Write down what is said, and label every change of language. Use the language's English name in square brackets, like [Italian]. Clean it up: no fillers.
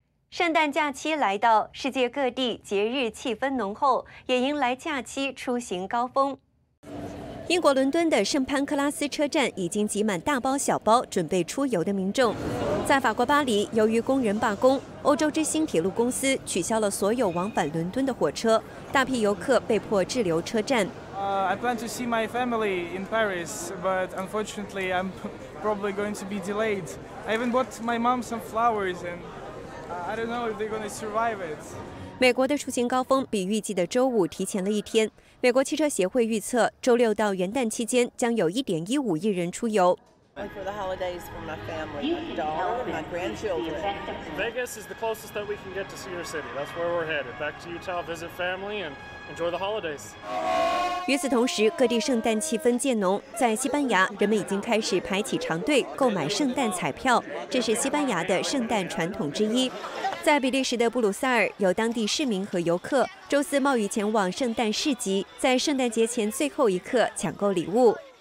[Chinese] 圣诞假期来到，世界各地节日气氛浓厚，也迎来假期出行高峰。英国伦敦的圣潘克拉斯车站已经挤满大包小包准备出游的民众。在法国巴黎，由于工人罢工，欧洲之星铁路公司取消了所有往返伦敦的火车，大批游客被迫滞留车站。 [English] I plan to see my family in Paris, but unfortunately, I'm probably going to be delayed. I even bought my mom some flowers, and I don't know if they're going to survive it. [Chinese] 美国的出行高峰比预计的周五提前了一天。美国汽车协会预测，周六到元旦期间将有1.15亿人出游。 [English] Vegas is the closest that we can get to see your city. That's where we're headed. Back to Utah, visit family and enjoy the holidays. [Chinese] 与此同时，各地圣诞气氛渐浓。在西班牙，人们已经开始排起长队购买圣诞彩票，这是西班牙的圣诞传统之一。在比利时的布鲁塞尔，有当地市民和游客周四冒雨前往圣诞市集，在圣诞节前最后一刻抢购礼物。